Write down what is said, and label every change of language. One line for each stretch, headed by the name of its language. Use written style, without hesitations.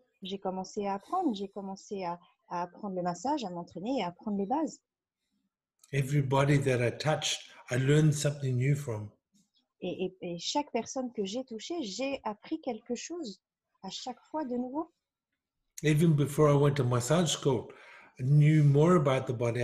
French: J'ai commencé à apprendre. J'ai commencé à apprendre le massage, à m'entraîner et à apprendre les bases.
English: Everybody that I touched, I learned something new from.
French: Et chaque personne que j'ai touchée, j'ai appris quelque chose à chaque fois de nouveau.
English: Even before I went to massage school, I knew more about the body.